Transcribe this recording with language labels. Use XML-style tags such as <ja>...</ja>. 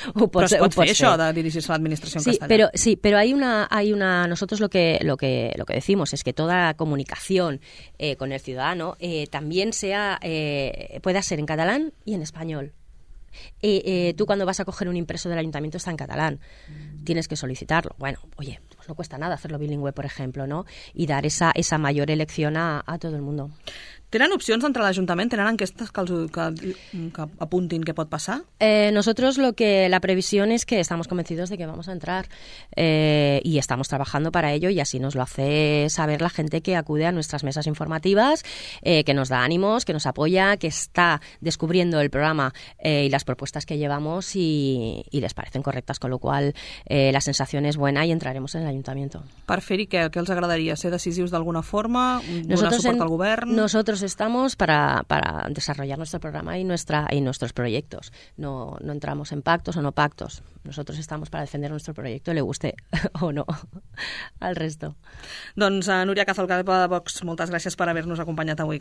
<ca>pero es això de dirigir-se a l'administració en castellà.</ca> <es>Sí, pero hay una nosotros lo que decimos es que toda la comunicación con el ciudadano también sea pueda ser en catalán y en español. Tú cuando vas a coger un impreso del ayuntamiento está en catalán. Tienes que solicitarlo. Bueno, oye, pues no cuesta nada hacerlo bilingüe, por ejemplo, ¿no? Y dar esa mayor elección a todo el mundo.</es> <ca>¿Tenen opcions entre l'Ajuntament? ¿Tenen enquestes que apuntin què pot passar?</ca> <es>Nosotros la previsión es que estamos convencidos de que vamos a entrar y estamos trabajando para ello, y así nos lo hace saber la gente que acude a nuestras mesas informativas, que nos da ánimos, que nos apoya, que está descubriendo el programa y las propuestas que llevamos y les parecen correctas, con lo cual la sensación es buena y entraremos en el Ayuntamiento. ayuntamiento.</es> <ca>¿Per fer-hi què?</ca> <es>¿Qué</es> <ca>els agradaria? ¿Ser decisius d'alguna forma? ¿Donar suport al govern?</ca> <es>Nosotros estamos para desarrollar nuestro programa y nuestros proyectos. No entramos en pactos o no pactos. Nosotros estamos para defender nuestro proyecto, le guste o no al resto.</es> <ca>Doncs, Núria Cazalcapa de Vox, moltes gràcies per haver-nos acompanyat avui.</ca>